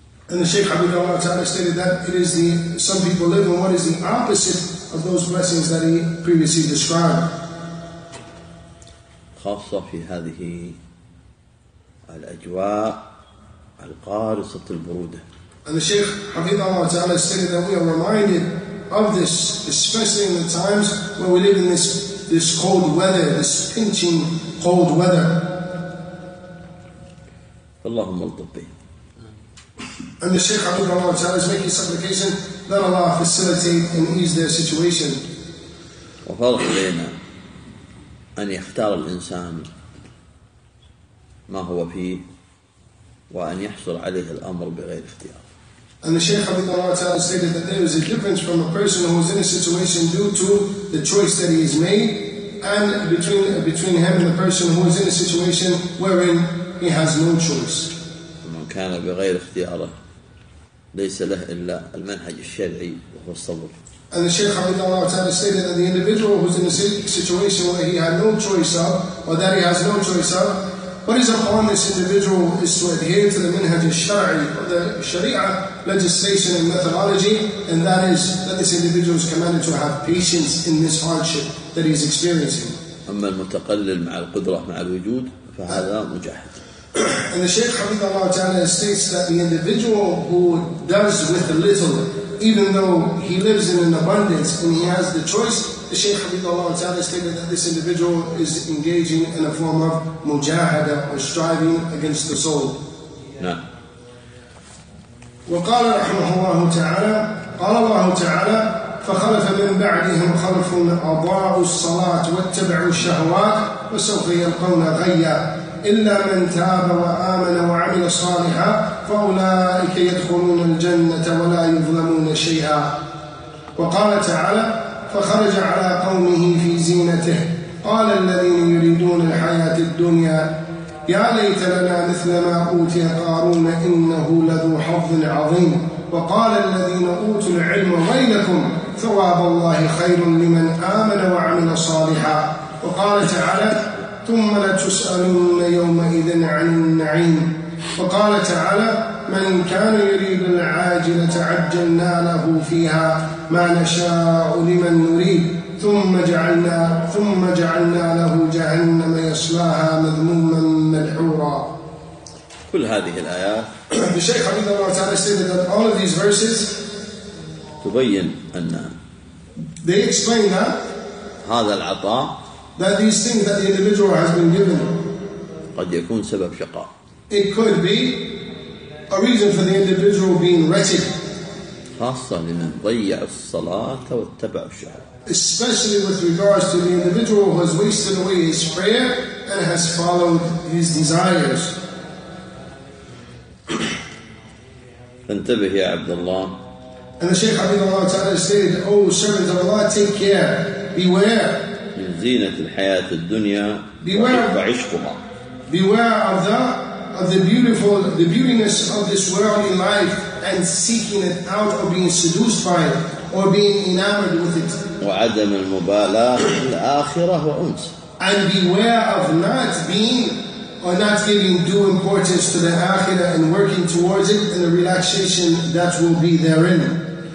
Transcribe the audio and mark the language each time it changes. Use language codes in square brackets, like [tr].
[en] And the Shaykh Habibullah ta'ala stated that it is the, some people live in what is the opposite of those blessings that he previously described. [ar] خاصة في هذه الأجواء القارصة البرودة. [en] And the Shaykh Habibullah ta'ala stated that we are reminded of this, especially in the times where we live in this cold weather, this pinching cold weather. [ar] اللهم الطبي. [en] And the Shaykh Habibullah ta'ala is making supplication that Allah facilitate and ease their situation. [ar] وفرق بين أن يختار الإنسان ما هو فيه وأن يحصل عليه الأمر بغير اختيار. [en] And the Shaykh Abid Allah Ta'ala stated that there is a difference from a person who is in a situation due to the choice that he has made and between him and the person who is in a situation wherein he has no choice. [ar] من كان بغير اختياره ليس له إلا المنهج الشرعي وهو الصبر. [en] And the Shaykh Abid Allah Ta'ala stated that the individual who is in a situation where he had no choice of, or that he has no choice of, what is upon this individual is to adhere to the minhaj al-shari, the sharia legislation and methodology, and that is that this individual is commanded to have patience in this hardship that he is experiencing. [ar] أما المتقلل مع القدرة مع الوجود فهذا مجاهد. [en] And the Shaykh Hamid Allah Ta'ala states that the individual who does with the little, even though he lives in an abundance and he has the choice, the Shaykh Hamid Allah Ta'ala stated that this individual is engaging in a form of mujahada or striving against the soul. No. [ar] وقال رحمه الله تعالى قال الله تعالى فخلف من بعدهم خلف أضاعوا الصلاة واتبعوا الشهوات وسوف يلقون غيا إلا من تاب وآمن وعمل صالحا فأولئك يدخلون الجنة ولا يظلمون شيئا وقال تعالى فخرج على قومه في زينته قال الذين يريدون الحياة الدنيا يا ليت لنا مثل ما أوتي قارون إنه لذو حظ عظيم وقال الذين أوتوا العلم ويلكم ثواب الله خير لمن آمن وعمل صالحا وقال تعالى ثم لتسألن يومئذ عن النعيم وقال تعالى من كان يريد العاجلة عجلنا له فيها ما نشاء لمن نريد ثم جعلنا له جهنم يصلاها مذموما مدحورا. كل هذه الآيات [en] الشيخ عبد الله تعالى stated that all of these verses [ar] تبين أن [en] they explain that [ar] هذا العطاء [en] that these things that the individual has been given [ar] قد يكون سبب شقاء. [en] It could be a reason for the individual being wretched. [ar] خاصة لمن ضيع الصلاة واتبع الشهوات. [en] Especially with regards to the individual who has wasted away his prayer and has followed his desires. [ar] انتبه يا عبد الله. [en] And the Shaykh Abid Allah Ta'ala said, oh servant of Allah, take care, beware. [ar] من زينة الحياة الدنيا وعشقها. [en] Beware of the beautiful, the beautiness of this worldly life and seeking it out or being seduced by it or being enamored with it. [ar] وعدم المبالاة الآخرة وأنس. [en] And beware of not being or not giving due importance to the akhirah and working towards it and the relaxation that will be therein.